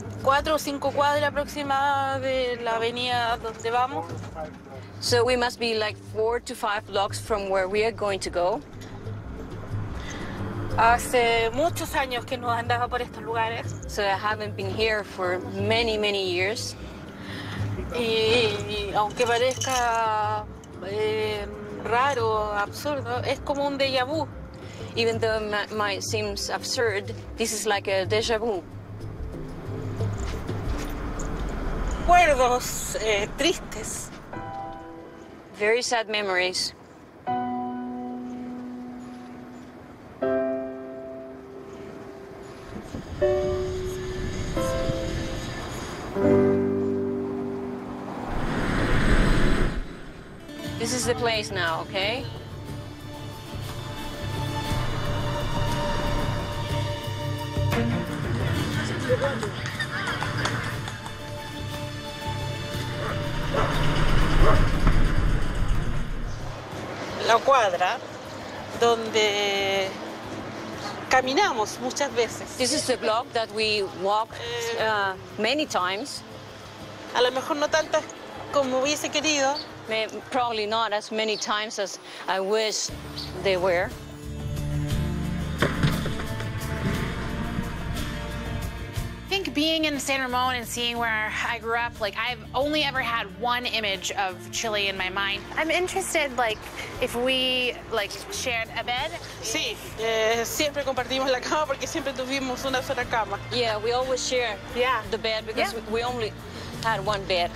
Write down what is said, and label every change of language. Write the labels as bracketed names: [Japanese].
[Spanish] 4 or 5 cuadras aproximadamente de la avenida donde vamos. [English] So we must be like 4 to 5 blocks from where we are going to go. [Spanish] Hace muchos años que no andaba por estos lugares. [English] So I haven't been here for many, many years. [Spanish] aunque parezca raro, absurdo, es como un déjà vu. [English] Even though it might seem absurd, this is like a déjà vu. [Spanish] Recuerdos tristes. [English] Very sad memories. This is the place now, okay? [Spanish] La cuadra donde caminamos muchas veces. [English] This is the block that we walk many times. [Spanish] A lo mejor no tantas como hubiese querido. [English] Probably not as many times as I wish they were. I think being in San Ramon and seeing where I grew up, like, I've only ever had one image of Chile in my mind. I'm interested, like, if we, like, shared a bed. [Spanish] Sí, siempre compartimos la cama porque siempre tuvimos una sola cama. [English] Yeah, we always share the bed because we only had one bed.